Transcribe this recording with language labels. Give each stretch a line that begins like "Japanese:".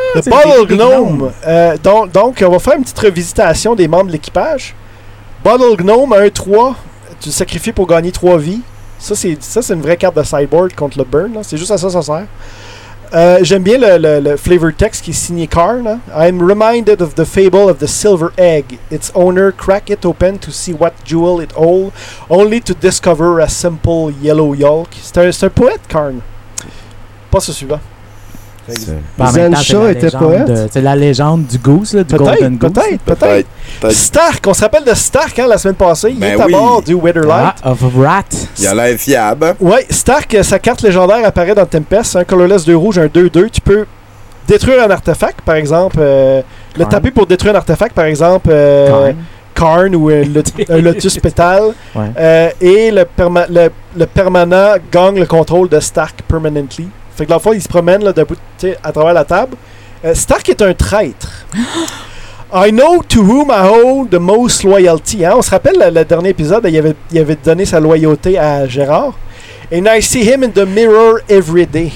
French: Le Bottle Gnome. Donc, on va faire une petite revisitation des membres de l'équipage. Bottle Gnome, 1-3, tu le sacrifies pour gagner 3 vies. Ça c'est une vraie carte de sideboard contre le burn, là. C'est juste à ça que ça sert. J'aime bien le flavor text qui est signé Carr.
English: I'm reminded of the fable of the silver egg. Its owner crack it open to see what jewel it holds, only to discover a simple yellow yolk.
French: C'est un poète, Carr. Pas ce suivant. Zensha était poète. C'est la légende du goose, là, Golden Goose. Peut-être. Stark, on se rappelle de Stark hein, la semaine passée. Il est à bord du Witherlight. Of Rat. Il a l'air fiable. Ouais, Stark, sa carte légendaire apparaît dans Tempest. Un colorless 2 rouge, un 2-2. Tu peux détruire un artefact, par exemple. Le taper pour détruire un artefact, par exemple. Karn ou un Lotus Pétale. Ouais. Et le permanent gagne le contrôle de Stark permanently. Fait que dans le fond, il se promène là, debout, à travers la table. Stark est un traître.
English: I know to whom I owe the most loyalty.
French: Hein? On se rappelle le dernier épisode, il avait donné sa loyauté à Gérard.
English: And I see him in the mirror every day.